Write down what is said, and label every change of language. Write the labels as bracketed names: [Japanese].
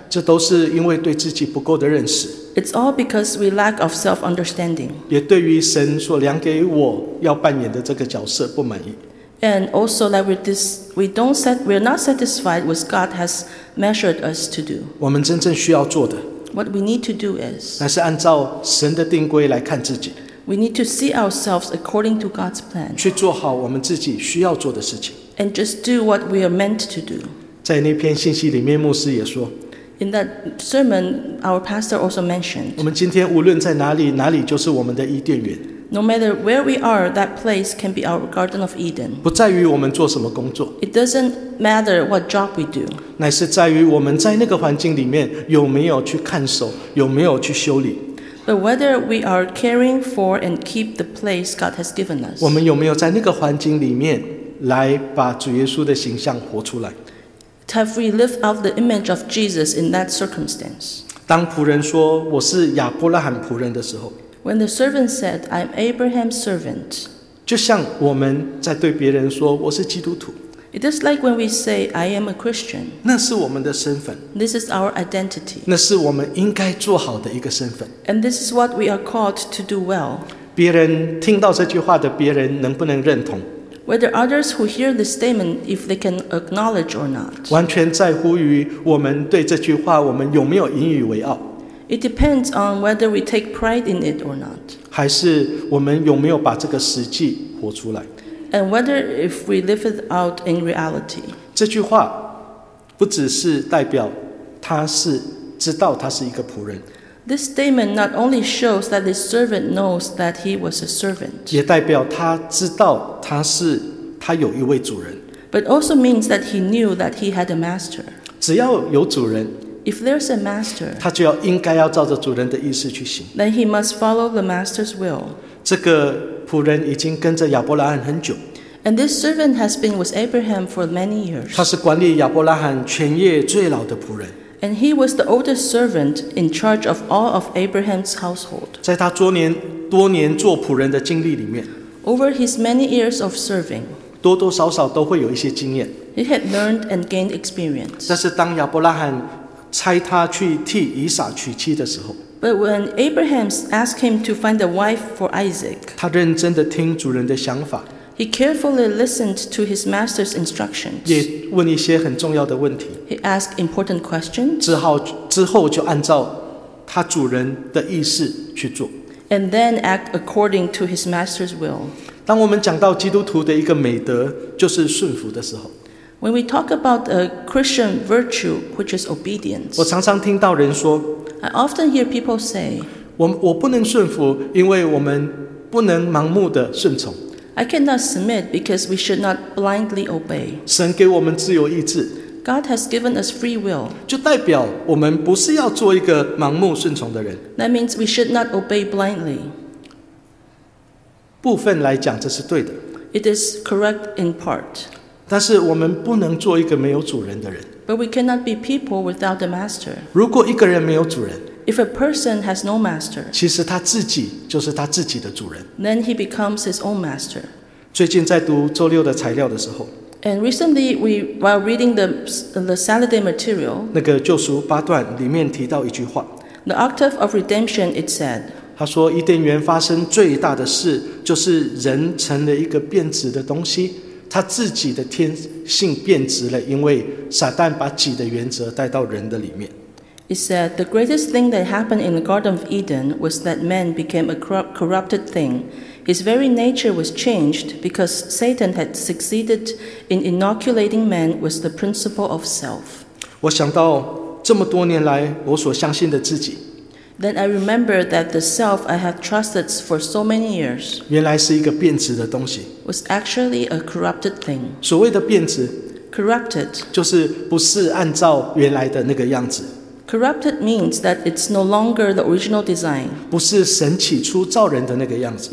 [Chinese] 这都是因为对自己不够的认识。 [English] It's all because we lack of self-understanding. [Chinese] 也对于神所量给我要扮演的这个角色不满意。 [English] And also, like we're not satisfied with what God has measured us to do. [Chinese] 我们真正需要做的。 [English] What we need to do is. [Chinese] 乃是按照神的定规来看自己。 [English] We need to see ourselves according to God's plan. [Chinese] 去做好我们自己需要做的事情。 [English] And just do what we are meant to do. [Chinese] 在那篇信息里面，牧师也说。 [English] In that sermon, our pastor also mentioned. [Chinese] 我们今天无论在哪里，哪里就是我们的伊甸园。 [English] No matter where we are, that place can be our Garden of Eden. [Chinese] 不在于我们做什么工作。 [English] It doesn't matter what job we do. [Chinese] 乃是在于我们在那个环境里面有没有去看守，有没有去修理。 [English] But whether we are caring for and keep the place God has given us. [Chinese] 我们有没有在那个环境里面来把主耶稣的形象活出来？ [English] Have we lived out the image of Jesus in that circumstance? [Chinese] 当仆人说我是亚伯拉罕仆人的时候。 [English] When the servant said, I'm Abraham's servant. [Chinese] 就像我们在对别人说我是基督徒。 [English] It is like when we say, I am a Christian. [Chinese] 那是我们的身份。 [English] This is our identity. [Chinese] 那是我们应该做好的一个身份。 [English] And this is what we are called to do well. [Chinese] 别人听到这句话的别人能不能认同？ [English] Whether others who hear this statement, if they can acknowledge or not. [Chinese] 完全在乎于我们对这句话我们有没有引以为傲。 [English] It depends on whether we take pride in it or not. [Chinese] 还是我们有没有把这个实际活出来？ [English] And whether if we live it out in reality. [Chinese] 这句话不只是代表他是知道他是一个仆人。 [English] This statement not only shows that the servant knows that he was a servant. [Chinese] 也代表他知道他有一位主人。 [English] But also means that he knew that he had a master. [Chinese] 只要有主人。 [English] If there's a master, [Chinese] 他就要应该要照着主人的意思去行。 [English] Then he must follow the master's will. [Chinese] 这个仆人已经跟着亚伯拉罕很久。 [English] And this servant has been with Abraham for many years. [Chinese] 他是管理亚伯拉罕全业最老的仆人。 [English] And he was the oldest servant in charge of all of Abraham's household. [Chinese] 在他多年做仆人的经历里面。 [English] Over his many years of serving. [Chinese] 多多少少都会有一些经验。 [English] He had learned and gained experience. [Chinese] 但是当亚伯拉罕差他去替以撒娶妻的时候， [English] But when Abraham asked him to find a wife for Isaac, [Chinese] 他认真地听主人的想法， [English] He carefully listened to his master's instructions, [Chinese] 也问一些很重要的问题， [English] He asked important questions, [Chinese] 之后就按照他主人的意思去做， [English] And then act according to his master's will. [Chinese] 当我们讲到基督徒的一个美德，就是顺服的时候。 [English] When we talk about a Christian virtue, which is obedience, [Chinese] 我常常听到人说， [English] I often hear people say, [Chinese] 我不能顺服，因为我们不能盲目的顺从。 [English] I cannot submit because we should not blindly obey. [Chinese] 神给我们自由意志， [English] God has given us free will. [Chinese] 就代表我们不是要做一个盲目顺从的人。 [English] That means we should not obey blindly. [Chinese] 部分来讲，这是对的。 [English] It is correct in part. [Chinese] 但是我们不能做一个没有主人的人。 [English] But we cannot be people without a master. [Chinese] 如果一个人没有主人， [English] If a person has no master, [Chinese] 其实他自己就是他自己的主人。 [English] Then he becomes his own master. [Chinese] 最近在读周六的材料的时候， [English] And recently while reading the Saturday material, [Chinese] 那个救赎八段里面提到一句话， [English] The octave of redemption, it said, [Chinese] 他说伊甸园发生最大的事就是人成了一个变质的东西，他自己的天性变质了，因为撒旦把己的原则带到人的里面。 [English] It said the greatest thing that happened in the Garden of Eden was that man became a corrupted thing. His very nature was changed because Satan had succeeded in inoculating man with the principle of self. [Chinese] 我想到这么多年来我所相信的自己。 [English] Then I remember that the self I had trusted for so many years [Chinese] 原来是一个变质的东西。 [English] Was actually a corrupted thing. [Chinese] 所谓的变质， [English] corrupted, [Chinese] 就是不是按照原来的那个样子。 [English] Corrupted means that it's no longer the original design. [Chinese] 不是神起初造人的那个样子。